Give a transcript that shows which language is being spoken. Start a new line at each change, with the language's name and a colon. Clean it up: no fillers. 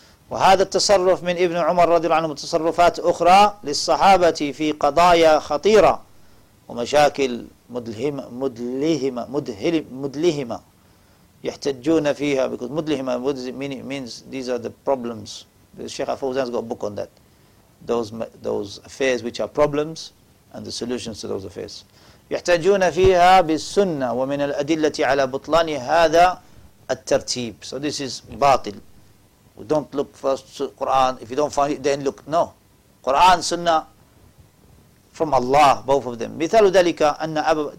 Arabic: وهذا التصرف من ابن عمر رضي الله عنه تصرفات أخرى للصحابة في قضايا خطيرة ومشاكل مدلهمة يحتجون فيها.
English: Because مدلهمة means these are the problems. The Sheikh Fawzan has got a book on that. Those affairs which are problems and the solutions to those affairs.
Arabic: يحتجون فيها بالسنة ومن الأدلة على بطلان هذا الترتيب.
English: So this is باطل. We don't look first to Quran. If you don't find it, then look. No. Quran, Sunnah, from Allah, both of them.
Arabic: مثال ذلك أن أبا.